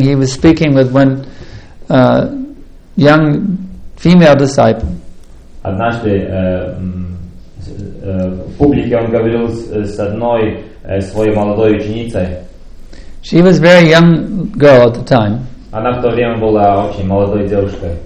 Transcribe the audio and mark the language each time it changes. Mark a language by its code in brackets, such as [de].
[en] He was speaking with one young female disciple. [ru] Однажды в публике он говорил с одной своей молодой ученицей. [en] She was a very young girl at the time. [ru] Она в то время была очень молодой девушкой.